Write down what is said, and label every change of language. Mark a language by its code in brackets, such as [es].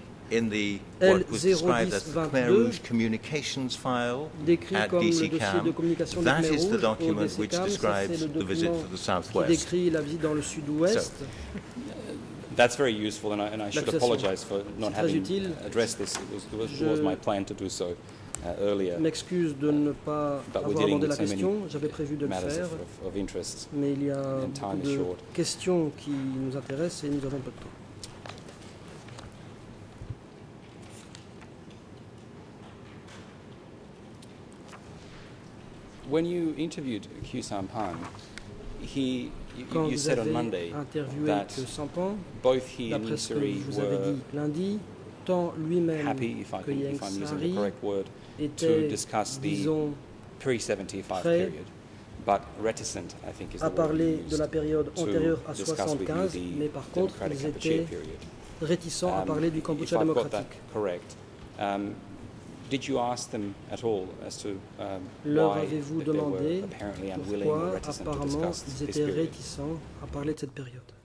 [en] in the what was described as the Khmer Rouge communications file at DC CAM. That is the document which describes the visit to the Southwest. So, that's very useful, and I should apologize for not having addressed this. It was my plan to do so earlier. [fr] M'excuse de ne pas avoir abordé la question. J'avais prévu de le faire. [en] Of interest, [fr] mais il y a beaucoup de questions qui nous intéressent et nous avons peu de temps. [en] When you interviewed Kyu Sampan, you said on Monday that both he and Ying Sari were [fr] lundi, [en] happy, if I'm using the correct word, to discuss the pre-75 period, but reticent, I think, is the word used [fr] de la période antérieure à 75, mais par contre, ils étaient réticents à parler du Cambodge démocratique. [en] If I've got that correct, did you ask them at all as to why they were apparently unwilling or reticent to discuss this period? [fr] Réticents à parler de cette période.